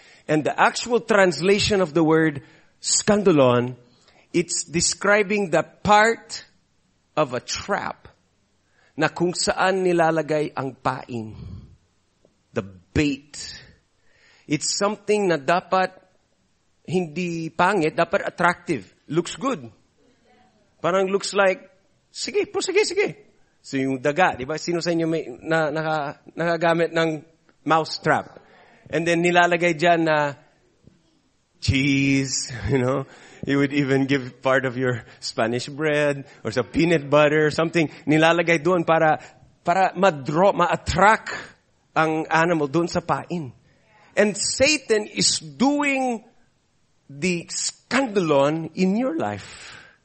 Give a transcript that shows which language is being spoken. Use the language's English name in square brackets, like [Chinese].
[English] And the actual translation of the word scandalon, it's describing the part of a trap [Filipino] na kung saan nilalagay ang pain. [English] The bait. It's something [Filipino] na dapat hindi pangit, dapat [English] attractive. Looks good. [Filipino] Parang [English] looks like, [Filipino] sige, po, sige. So yung daga, di ba? Sino sa inyo may nakagamit ng [English] mouse trap? And then [Filipino] nilalagay dyan na [English] cheese, you know? You would even give part of your Spanish bread or some peanut butter or something. [Filipino] Nilalagay doon para ma-draw, ma-attract ang animal doon sa pain. [English] And Satan is doing the scandalon in your life.